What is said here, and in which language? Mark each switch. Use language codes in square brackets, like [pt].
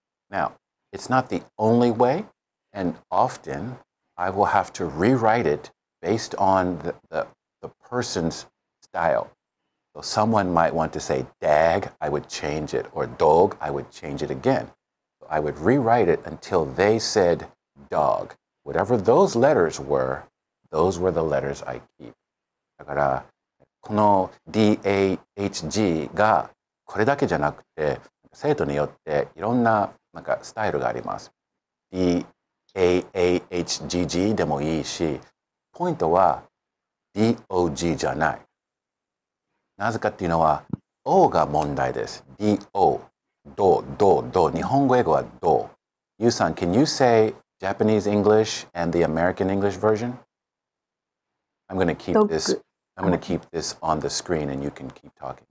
[en] Now, it's not the only way, and often I will have to rewrite it based on the person's style. So someone might want to say dag, I would change it, or dog, I would change it again. So I would rewrite it until they said dog. Whatever those letters were, those were the letters I keep. [ja] だから、この D-A-H-G がこれだけじゃなくて、生徒によっていろんな、なんかスタイルがあります。 D-A-A-H-G-G でもいいし、ポイントは D-O-G じゃない。なぜかっていうのは、O が問題です。 D-O、ド、ド、ド。日本語英語はド。 [en] Yu さん、can you say Japanese English and the American English version? I'm going to keep this on the screen and you can keep talking.